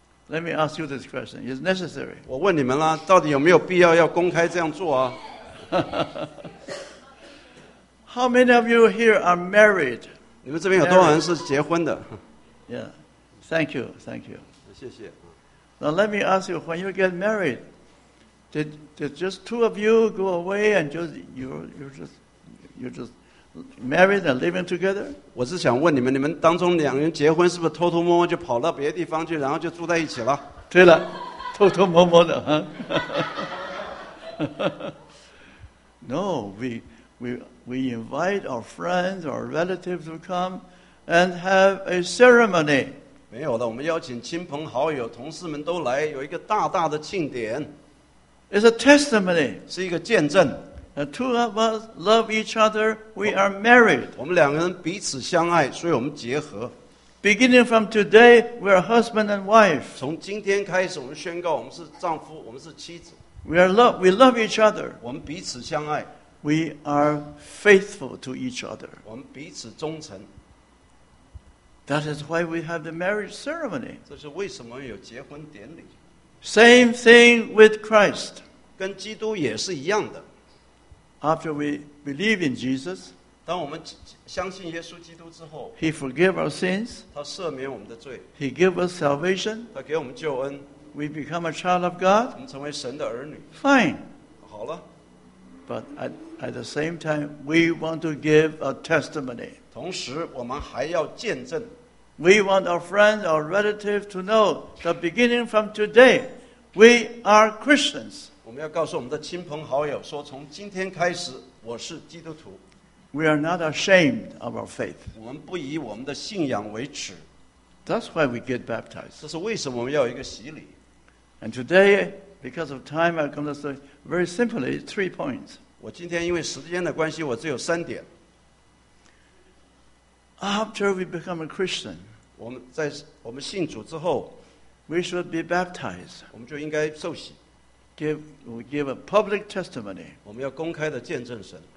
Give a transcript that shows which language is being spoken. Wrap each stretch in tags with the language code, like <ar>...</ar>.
<en>Let me ask you this question. Is necessary?</en> <zh>我问你们啦，到底有没有必要要公开这样做啊？</zh> <en>How many of you here are married?</en> <zh>你们这边有多少人是结婚的？</zh> <en>Yeah. Thank you. Thank you.</en> <zh>谢谢。</zh> <en>Now let me ask you, when you get married. Did just two of you go away and just you're just married and living together?</en> <zh>我是想问你们，你们当中两人结婚是不是偷偷摸摸就跑到别的地方去，然后就住在一起了？对了，偷偷摸摸的。</zh> <en>No, we invite our friends or relatives to come and have a ceremony.</en> <zh>没有的，我们邀请亲朋好友、同事们都来，有一个大大的庆典。</zh> <en>It's a testimony.</en> <zh>是一个见证。</zh> <en>And two of us love each other. We are married.</en> <zh>我们两个人彼此相爱，所以我们结合。</zh> <en>Beginning from today, we are husband and wife.</en> <zh>从今天开始，我们宣告我们是丈夫，我们是妻子。</zh> <en>We love each other.</en> <zh>我们彼此相爱。</zh> <en>We are faithful to each other.</en> <zh>我们彼此忠诚。</zh> <en>That is why we have the marriage ceremony.</en> <zh>这是为什么有结婚典礼。</zh> <en>Same thing with Christ.</en> <zh>跟基督也是一样的。</zh> <en>After we believe in Jesus,</en> <zh>当我们相信耶稣基督之后</zh> <en>，He forgave our sins.</en> <zh>他赦免我们的罪。</zh> <en>He gave us salvation.</en> <zh>他给我们救恩。</zh> <en>We become a child of God.</en> <zh>我们成为神的儿女。</zh> <en>Fine.</en> <zh>好了。</zh> <en>But at the same time, we want to give a testimony.</en> <zh>同时，我们还要见证。</zh> <en>We want our friends, our relatives to know that beginning from today, we are Christians.</en> <zh>我们要告诉我们的亲朋好友说，从今天开始，我是基督徒。</zh> <en>We are not ashamed of our faith.</en> <zh>我们不以我们的信仰为耻。</zh> <en>That's why we get baptized.</en> <zh>这是为什么我们要有一个洗礼。</zh> <en>And today, because of time, I'm going to say very simply three points.</en> <zh>我今天因为时间的关系，我只有三点。</zh> <en>After we become a Christian,</en> <zh>我们信主之后</zh> <en>we should be baptized.</en> <zh>我们就应该受洗</zh> <en>We give a public testimony.</en> <zh>我们要公开的见证神</zh>